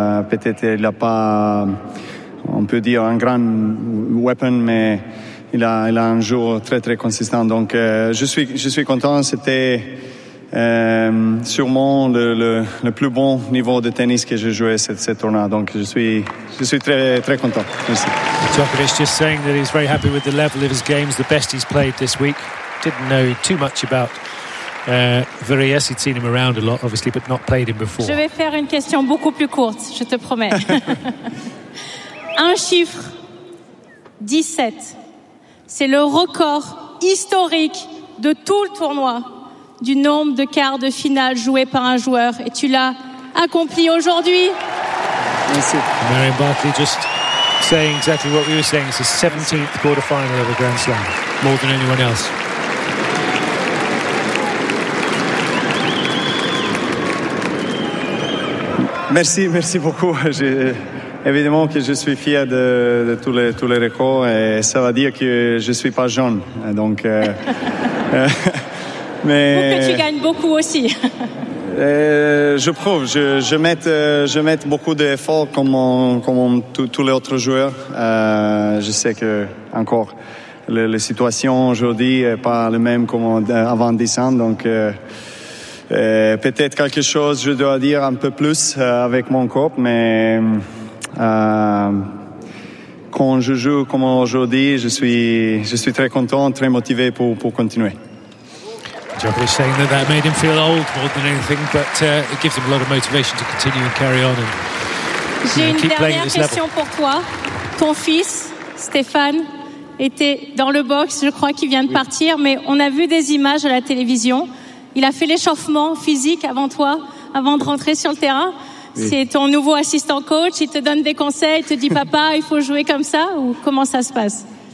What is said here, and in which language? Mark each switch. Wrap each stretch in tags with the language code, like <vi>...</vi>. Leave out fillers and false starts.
<fr>Peut-être il n'a pas, on peut dire, un grand weapon, mais il a un jour très très consistant. Donc je suis content. C'était sûrement le plus bon niveau de tennis que j'ai joué cette tournoi. Donc je suis très très content. Merci.</fr> <en>Djokovic just saying that he's very happy with the level of his games, the best he's played this week. Didn't know too much about Varillas, he'd seen him around a lot, obviously, but not played him before.</en> <fr>Je vais faire une question beaucoup plus courte, je te promets. Un chiffre, 17, c'est le record historique de tout le tournoi du nombre de quarts de finale joués par un joueur, et tu l'as accompli aujourd'hui. Merci.</fr> <en>Marion Barclay just saying exactly what we were saying. It's the 17th quarterfinal of a Grand Slam, more than anyone else.</en> <fr>Merci beaucoup. Évidemment que je suis fier de tous les records, et ça veut dire que je suis pas jeune. Donc, mais que tu gagnes beaucoup aussi. Je mets beaucoup d'efforts comme tous les autres joueurs. Je sais que encore la situation aujourd'hui est pas la même comme avant 10 ans, donc. Peut-être quelque chose je dois dire un peu plus avec mon corps, mais quand je joue comme aujourd'hui, je suis très content, très motivé pour continuer.</fr> <en>Djokovic saying that made him feel old more than anything, but it gives him a lot of motivation to continue and carry on. And,</en> <fr>j'ai une dernière question pour toi. Ton fils Stéphane était dans le box, je crois qu'il vient de partir, mais on a vu des images à la télévision. Il a fait l'échauffement physique avant toi, avant de rentrer sur le terrain. Oui. C'est ton nouveau assistant coach. Il te donne des conseils, il te dit « Papa, il faut jouer comme ça » ou comment ça se passe?</fr>